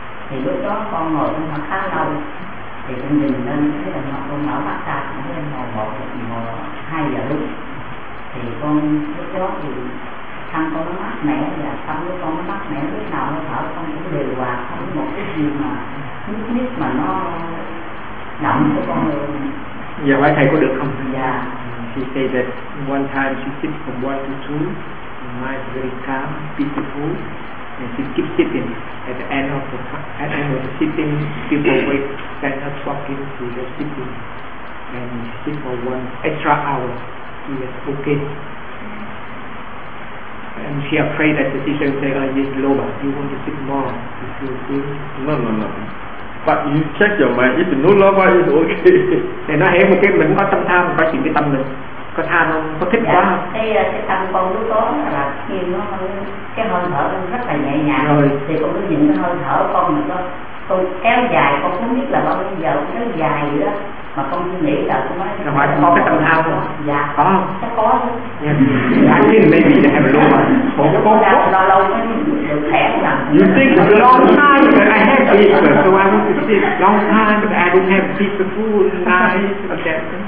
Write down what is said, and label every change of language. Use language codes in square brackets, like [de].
[vi] Thì lúc đó con ngồi trong khoảng khá lâu thì con nhìn lên cái đồng hồ con mở mắt ra cũng lên ngồi 1 giờ 2 giờ lúc thì con lúc đó thì thân con nó mát mẻ và tâm của con nó mát mẻ lúc nào nó thở con cũng điều hòa không một cái gì mà nhúc nhích mà nó động của con luôn. Dạ bác thầy có được không? Dạ. [en] She said that one time she sits from 1 to 2 and mind very calm, peaceful. And she keeps sitting at the end of the sitting, people wait, stand up, walking, she just sitting. And she sits for 1 extra hour. She is okay. And she afraid that the teacher will say, oh, yes, Loba, you want to sit more? You feel good? No. But you check your mind, if no Loba is okay. [vi] Thì nó hiểu một cái mình có tâm tham, có chuyện cái tâm mình. Có tham không? Có thích dạ, quá không? Dạ, cái tâm con lúc đó là khi nó cái hơi thở nó rất là nhẹ nhàng. Rồi. Thì con cứ nhìn cái hơi thở con mà con kéo dài, con không biết là bao nhiêu giờ con kéo dài đó. Mà con cứ nghĩ là con nói rồi, có cái tâm tham không? Dạ. Có không? Chắc có chứ. [en] Dạ, I think maybe they have a lot. [vi] Con có lâu lâu lâu mới được khỏe lắm. [en] You think it's a long time that I have peace, so I want to sit long time that I don't have peace for food, nice, okay.